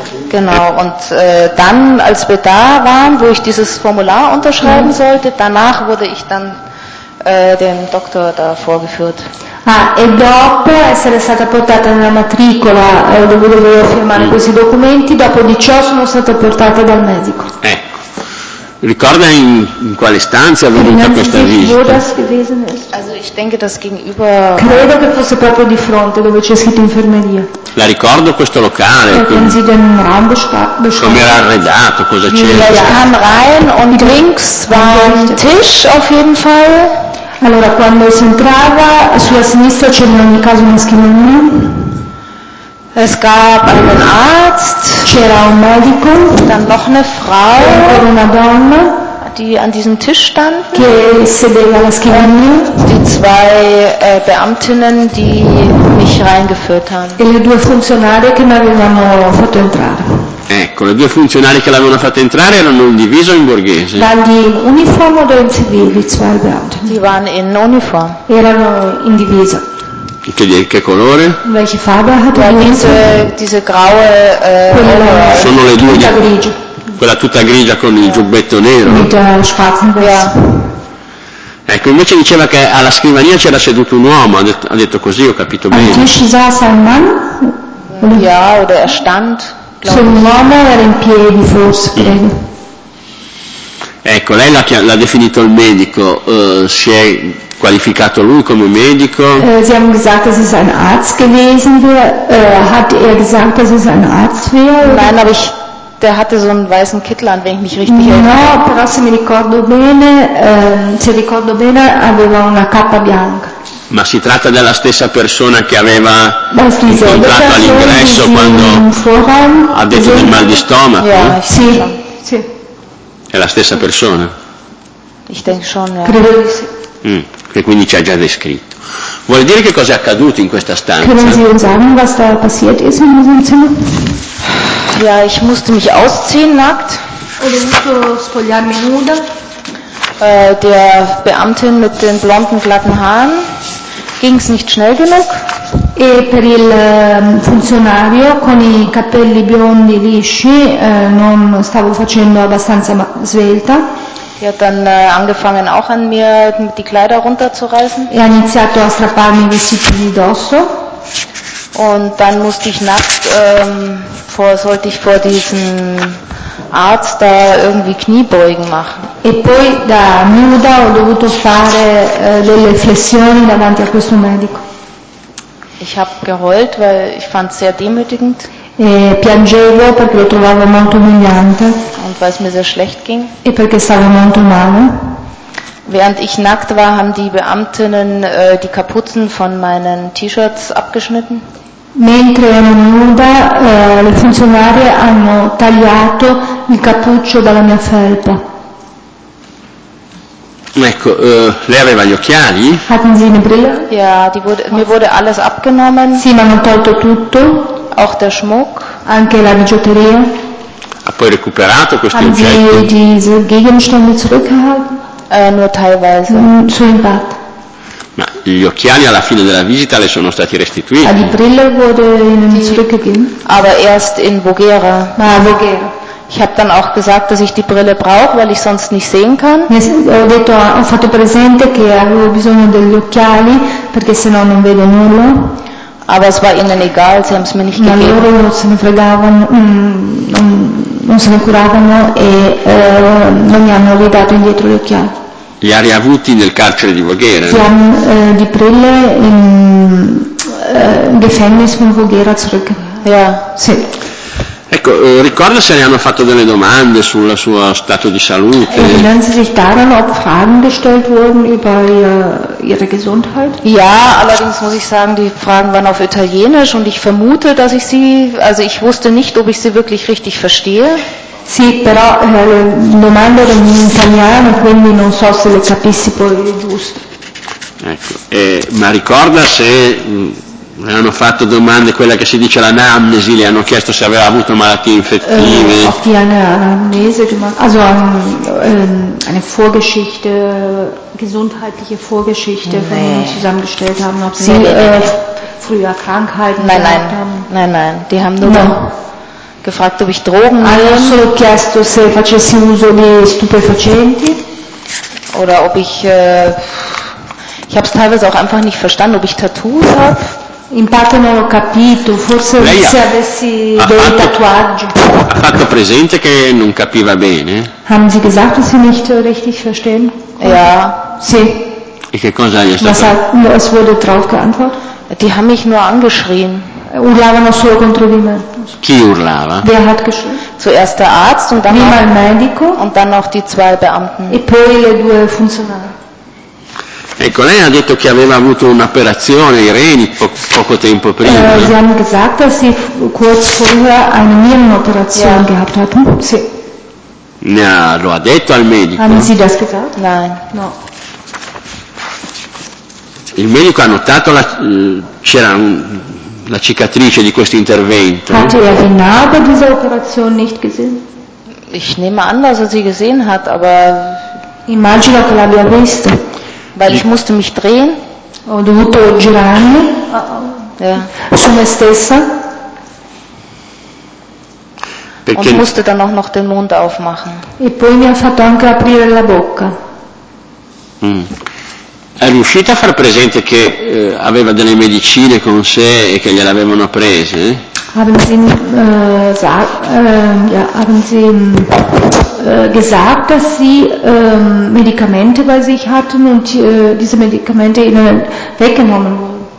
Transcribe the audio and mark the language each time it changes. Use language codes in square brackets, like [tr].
[de] Genau, und dann, als wir da waren, wo ich dieses Formular unterschreiben sollte, danach wurde ich dann dem Doktor da vorgeführt. [it] Ah, e dopo essere stata portata nella matricola, dove dovevo firmare questi documenti, dopo di ciò sono stata portata dal medico. Ecco, ricorda in quale stanza è venuta questa visita? [de] Also ich denke, das gegenüber. [it] Credo che fosse proprio di fronte, dove c'è scritto infermeria. La ricordo questo locale. Com'era arredato, cosa c'era? [de] Ich kam rein und links war ein Tisch auf jeden Fall. [it] Allora, quando si entrava, sulla sinistra c'era in ogni caso una scrivania. [de] Es gab einen Arzt. [it] C'era un medico. [de] Dann noch eine Frau. [it] Era una donna. [de] Die an diesem Tisch stand. [it] Che sedeva alla scrivania. [de] Die zwei Beamtinnen, die mich reingeführt haben. [it] E le due funzionarie che mi avevano fatto entrare. Ecco, le due funzionarie che l'avevano fatto entrare erano in divisa o in borghese? Dagli uniform o in civili, [de] zwei Beamte. Die waren in uniform. [it] Erano in divisa. Che colore? [de] Welche Farbe hat er? Diese graue. [it] Sono le due. Tutta grigia. Quella tutta grigia con il giubbetto nero. [de] Mit Spatzenbeer. [en] Yeah. [it] Ecco, invece diceva che alla scrivania c'era seduto un uomo, ha detto così, ho capito bene. [de] Al tisch saß ein Mann? Ja, oder er stand. [it] Se un uomo era in piedi, forse, credo. Ecco, lei l'ha definito il medico, si è qualificato lui come medico? [de] Sie haben gesagt, dass es ein Arzt gewesen wäre. Hat er gesagt, dass es ein Arzt wäre? Nein, aber der hatte so einen weißen Kittel an, wenn ich mich richtig erinnere. [it] No, però se mi ricordo bene, aveva una cappa bianca. Ma si tratta della stessa persona che aveva incontrato all'ingresso quando ha detto del mal di stomaco? Sì, sì. È la stessa persona? [de] Ich denke schon, ja. [it] Credo di sì. Che quindi ci ha già descritto. Vuol dire che cosa è accaduto in questa stanza? [de] Können Sie uns sagen, was da passiert ist in diesem Zimmer? Ja, ich musste mich ausziehen nackt. [it] Ho dovuto spogliarmi nuda. [de] Der Beamtin mit den blonden, glatten Haaren ging es nicht schnell genug. [it] E per il funzionario con i capelli biondi lisci non stavo facendo abbastanza svelta. [de] Er hat dann angefangen auch an mir die Kleider runterzureißen. [it] E ha iniziato a strapparmi i vestiti di dosso. [de] Und dann musste ich nackt, sollte ich vor diesen Arzt da irgendwie Kniebeugen machen. [it] E poi da nuda ho dovuto fare delle flessioni davanti a questo medico. [de] Ich habe geheult, weil ich fand es sehr demütigend. [it] E piangevo perché lo trovavo molto umiliante. [de] Und weil es mir sehr schlecht ging. [it] E perché stavo molto male. [de] Während ich nackt war, haben die Beamtinnen die Kapuzen von meinen T-Shirts abgeschnitten. [it] Mentre ero nuda, le funzionarie hanno tagliato il cappuccio dalla mia felpa. Ecco, lei aveva gli occhiali? [de] Hatten Sie eine Brille? Ja, mir wurde alles abgenommen. [it] Sì, mi hanno tolto tutto. [de] Auch der Schmuck. [it] Anche la bigiotteria. Ha poi recuperato questi oggetti? [de] Haben Sie diese Gegenstände zurückgehalten? Nur teilweise. Sul Bad. [it] Ma gli occhiali alla fine della visita le sono stati restituiti? [de] Die Brille wurde ihnen zurückgegeben. Aber erst in Voghera. [it] Ma a Voghera. [de] Ich habe dann auch gesagt, dass ich die Brille brauche, weil ich sonst nicht sehen kann. [it] Ho fatto presente che avevo bisogno degli occhiali perché sennò non vedo nulla. [de] Aber es war ihnen egal, sie haben es mir nicht gegeben. [it] Ma loro non se ne fregavano, non se ne curavano e non mi hanno ridato indietro gli occhiali. Li ha riavuti nel carcere di Voghera. [de] Sie haben die Brille im Gefängnis von Voghera zurück. Ja, [it] sì. Ecco, ricorda se le hanno fatto delle domande sul suo stato di salute. [de] Erinnern Sie sich daran, ob Fragen gestellt wurden über ihre Gesundheit? Ja, allerdings muss ich sagen, die Fragen waren auf Italienisch und ich vermute, dass ich sie, also ich wusste nicht, ob ich sie wirklich richtig verstehe. [it] Sì, però le domande erano in italiano, quindi non so se le capissi poi giusto. Ecco, ma ricorda se le hanno fatto domande, quella che si dice l'anamnesi, le hanno chiesto se aveva avuto malattie infettive. [de] Auf die Anamnese gemacht, also eine Vorgeschichte, gesundheitliche Vorgeschichte, nee. Wenn wir zusammengestellt haben, ob sie früher Krankheiten nein, gehabt nein. haben. Nein, nein, die haben nur no. gefragt, ob ich Drogen nehme. [it] Hanno solo chiesto se facessi uso di stupefacenti. [de] Oder ob ich, ich habe es teilweise auch einfach nicht verstanden, ob ich Tattoos habe. [it] In parte non ho capito, forse lei se avessi dei tatuaggi. Ha fatto presente che non capiva bene? [de] Haben Sie gesagt, dass Sie nicht richtig verstehen? Ja. [it] Sì. E che cosa gli è stato? [de] Es wurde drauf geantwortet. Die haben mich nur angeschrien. [it] Urlavano solo contro di me. Chi urlava? [de] Wer hat geschrien? Zuerst der Arzt und dann [it] prima il medico. [de] Und dann auch die zwei Beamten. [it] E poi le due funzionari. Ecco, lei ha detto che aveva avuto un'operazione ai reni poco tempo prima. [de] Sie haben gesagt, dass sie kurz vorher eine Nierenoperation yeah. gehabt hatten. [it] Sì. Ne ha, lo ha detto al medico? [de] Haben Sie das gesagt? Nein. [it] No. Il medico ha notato c'era la cicatrice di questo intervento. [de] Hat er die Narbe dieser Operation nicht gesehen? Ich nehme an, dass er sie gesehen hat, aber [it] immagino che l'abbia vista. [de] Weil ich musste mich drehen. [it] Ho dovuto girarmi. [de] Ja. [it] Su me stessa. Perché [de] und musste dann auch noch den Mund aufmachen. [it] E poi mi ha fatto anche aprire la bocca. È riuscita a far presente che aveva delle medicine con sé e che gliele avevano prese? [de] Haben Sie haben Sie gesagt, dass Sie Medikamente bei sich hatten und diese Medikamente Ihnen weggenommen wurden?